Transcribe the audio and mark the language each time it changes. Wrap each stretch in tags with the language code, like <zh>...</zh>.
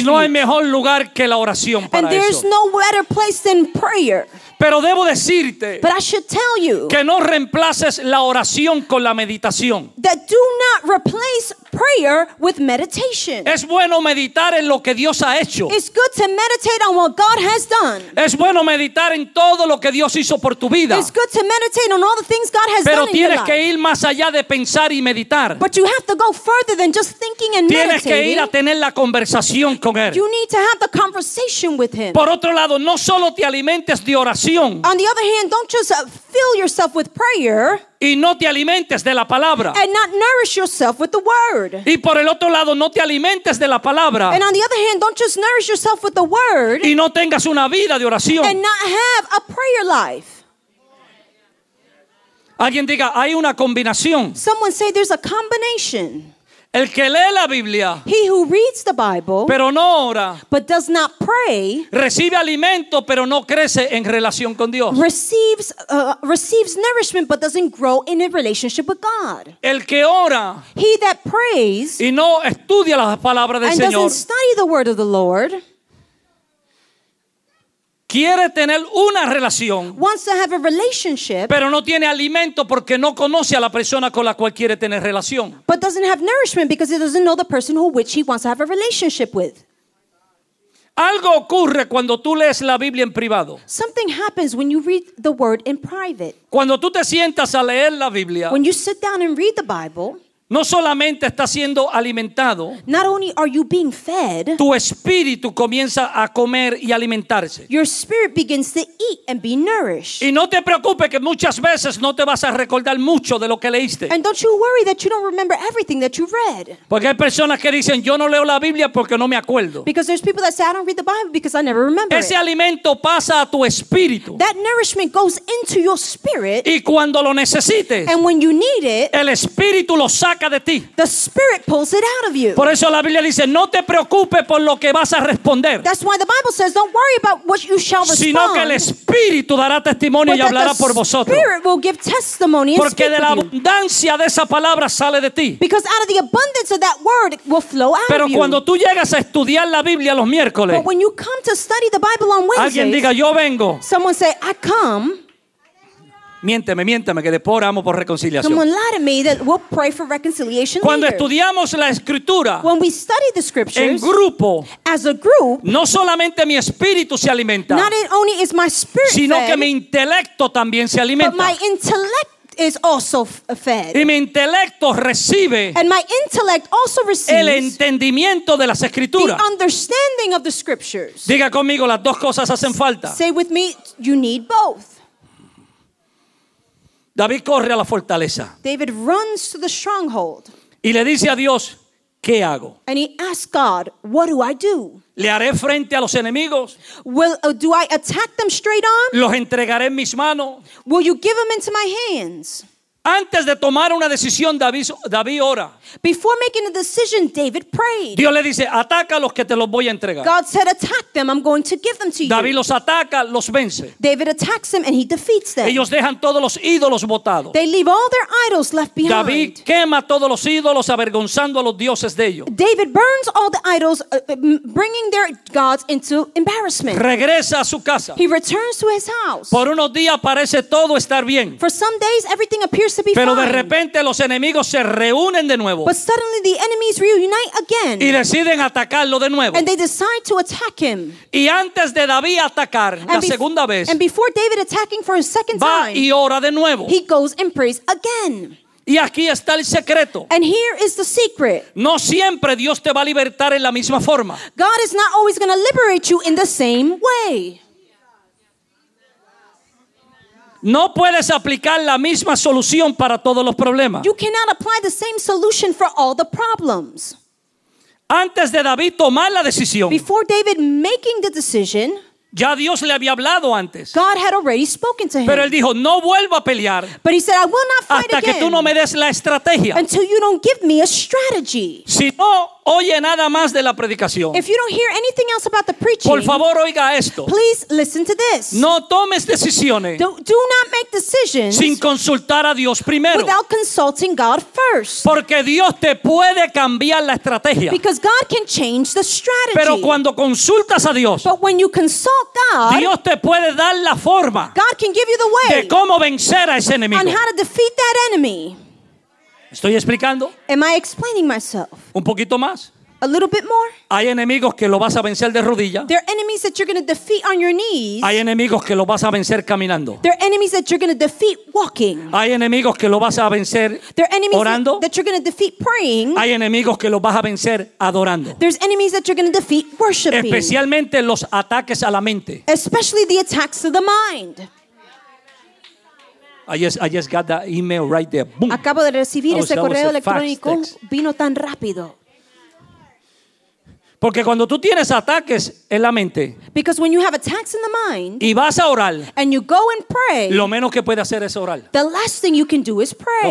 <es>Y no hay mejor lugar que la oración para</es> <en>and there's</en> <es>eso.</es> <en>No better place than prayer.</en> <es>Pero debo decirte.</es> <en>But I should tell you.</en> <es>Que no reemplaces la oración con la meditación.</es> <en>That do not replace prayer with meditation.</en> <es>Es bueno meditar en lo que Dios ha hecho.</es> <en>It's good to meditate on what God has done.</en> <es>Es bueno meditar en todo lo que Dios hizo por tu vida.</es> <en>It's good to meditate on all the things God has</en> <es>pero</es> <en>done in your life.</en> <es>Pero tienes que ir más allá de pensar y meditar.</es> <en>But you have to go further than just thinking and</en> <es>tienes</es> <en>meditating.</en> <es>Tienes que ir a tener la conversación con él.</es> <en>You need to have the conversation with him.</en> <es>Por otro lado, no solo te alimentes de oración.</es> <en>On the other hand, don't just fill yourself with prayer.</en> <es>Y no te alimentes de la palabra.</es> <en>And not nourish yourself with the word.</en> <es>Y por el otro lado, no te alimentes de la palabra.</es> <en>And on the other hand, don't just nourish yourself with the word.</en> <es>Y no tengas una vida de oración.</es> <en>And not have a prayer life.</en> <es>Alguien diga, hay una combinación.</es> <en>Someone say there's a combination.</en> <es>El que lee la Biblia,</es> <en>he who reads the Bible,</en> <es>pero no ora,</es> <en>but does not pray,</en> <es>recibe alimento, pero no crece en relación con Dios.</es> <en>Receives nourishment, but doesn't grow in a relationship with God.</en> <es>El que ora,</es> <en>he that prays,</en> <es>y no estudia la palabra del</es> <en>and</en> <es>Señor,</es> <en>doesn't study the word of the Lord,</en> <es>quiere tener una relación,</es> <en>wants to have a relationship,</en> <es>pero no tiene alimento porque no conoce a la persona con la cual quiere tener relación.</es> <en>But doesn't have nourishment because he doesn't know the person who which he wants to have a relationship with.</en> <es>Algo ocurre cuando tú lees la Biblia en privado.</es> <en>Something happens when you read the word in private.</en> <es>Cuando tú te sientas a leer la Biblia,</es> <en>when you sit down and read the Bible,</en> <es>No solamente está siendo alimentado.</es> <en>Not only are you being fed,</en> <es>tu espíritu comienza a comer y alimentarse.</es> <en>Your spirit begins to eat and be nourished.</en> <es>Y no te preocupes que muchas veces no te vas a recordar mucho de lo que leíste.</es> <en>And don't you worry that you don't remember everything that you read.</en> <es>Porque hay personas que dicen, yo no leo la Biblia porque no me acuerdo.</es> <en>Because there's people that say I don't read the Bible because I never remember.</en> <es>Ese alimento pasa a tu espíritu.</es> <en>That nourishment goes into your spirit.</en> <es>Y cuando lo necesites,</es> <en>and when you need it,</en> <es>el espíritu lo saca.</es> <en>The spirit pulls it out of you.</en> <es>Por eso la Biblia dice, no te preocupes por lo que vas a responder.</es> <en>That's why the Bible says, don't worry about what you shall respond.</en> <es>Sino que el espíritu dará testimonio y hablará por vosotros.</es> <en>But the spirit will give testimony and speak.</en> <es>Porque de la abundancia de esa palabra sale de ti.</es> <en>Because out of the abundance of that word will flow out of you.</en> <es>Pero cuando tú llegas a estudiar la Biblia los miércoles.</es> <en>But when you come to study the Bible on Wednesdays.</en> <es>Alguien diga, yo vengo.</es> <en>Someone say, I come.</en> <es>Miénteme, que después oramos por reconciliación.</es> <en>Come on, lie to me that we'll pray for reconciliation.</en> <es>Cuando</es> <en>later.</en> <es>Estudiamos la escritura,</es> <en>when we study the scriptures,</en> <es>en grupo,</es> <en>as a group,</en> <es>no solamente mi espíritu se alimenta,</es> <en>not only is my spirit</en> <es>sino</es> <en>fed,</en> <es>que mi intelecto también se alimenta,</es> <en>but my intellect is also fed.</en> <es>Y mi intelecto recibe,</es> <en>and my intellect also receives,</en> <es>el entendimiento de las escrituras,</es> <en>the understanding of the scriptures.</en> <es>Diga conmigo, las dos cosas hacen falta.</es> <en>Say with me, you need both.</en> <es>David corre a la fortaleza.</es> <en>David runs to the stronghold.</en> <es>Y le dice a Dios, ¿qué hago?</es> <en>And he asks God, what do I do?</en> <es>¿Le haré frente a los enemigos?</es> <en>Do I attack them straight on?</en> <es>¿Los entregaré en mis manos?</es> <en>Will you give them into my hands?</en> <es>Antes de tomar una decisión, David ora.</es> <en>Before making a decision, David prayed.</en> <es>Dios le dice, ataca a los que te los voy a entregar.</es> <en>God said, attack them, I'm going to give them to you.</en> <es>David los ataca, los vence.</es> <en>David attacks them and he defeats them.</en> <es>Ellos dejan todos los ídolos botados.</es> <en>They leave all their idols left behind.</en> <es>David quema todos los ídolos avergonzando a los dioses de ellos.</es> <en>David burns all the idols, bringing their gods into embarrassment.</en> <es>Regresa a su casa.</es> <en>He returns to his house.</en> <es>Por unos días parece todo estar bien.</es> <en>For some days, everything appears to be</en> <es>pero</es> <en>fine.</en> <es>Pero de repente los enemigos se reúnen de nuevo.</es> <en>But suddenly the enemies reunite again.</en> <es>Y deciden atacarlo de nuevo.</es> <en>And they decide to attack him.</en> <es>Y antes de David atacar la segunda vez.</es> <en>And before David attacking for a second</en> <es>va</es> <en>time.</en> <es>Va y ora de nuevo.</es> <en>He goes and prays again.</en> <es>Y aquí está el secreto.</es> <en>And here is the secret.</en> <es>No siempre Dios te va a libertar en la misma forma.</es> <en>God is not always going to liberate you in the same way.</en> <es>No puedes aplicar la misma solución para todos los problemas.</es> <en>You cannot apply the same solution for all the problems.</en> <es>Antes de David tomar la decisión,</es> <en>before David making the decision,</en> <es>ya Dios le había hablado antes.</es> <en>God had already spoken to him.</en> <es>Pero él dijo, no vuelvo a pelear.</es> <en>But he said, I will not fight</en> <es>hasta</es> <en>again</en> <es>que tú no me des la estrategia.</es> <en>Until you don't give me a strategy.</en> <es>Si no oye nada más de la predicación.</es> <en>If you don't hear anything else about the preaching.</en> <es>Por favor, oiga esto.</es> <en>Please listen to this.</en> <es>No tomes decisiones.</es> <en>Do not make decisions.</en> <es>Sin consultar a Dios primero.</es> <en>Without consulting God first.</en> <es>Porque Dios te puede cambiar la estrategia.</es> <en>Because God can change the strategy.</en> <es>Pero cuando consultas a Dios.</es> <en>But when you consult God.</en> <es>Dios te puede dar la forma.</es> <en>God can give you the way.</en> <es>De cómo vencer a ese enemigo.</es> <en>On how to defeat that enemy.</en> <es>¿Estoy explicando?</es> <en>Am I explaining myself?</en> <es>¿Un poquito más?</es> <en>A little bit more.</en> <es>Hay enemigos que lo vas a vencer de rodillas.</es> <en>There are enemies that you're going to defeat on your knees.</en> <es>Hay enemigos que lo vas a vencer caminando.</es> <en>There are enemies that you're going to defeat walking.</en> <es>Hay enemigos que lo vas a vencer orando.</es> <en>There are enemies</en> <es>orando.</es> <en>That you're going to defeat praying.</en> <es>Hay enemigos que lo vas a vencer adorando.</es> <en>There's enemies that you're going to defeat worshiping.</en> <es>Especialmente los ataques a la mente.</es> <en>Especially the attacks to the mind. I just got that email right there. Boom.</en> <es>Acabo de recibir ese correo electrónico. Vino tan rápido. Porque cuando tú tienes ataques en la mente.</es> <en>Because when you have attacks in the mind.</en> <es>Y vas a orar.</es> <en>And you go and pray.</en> <es>Lo menos que puedes hacer es orar.</es> <en>The last thing you can do is pray.</en>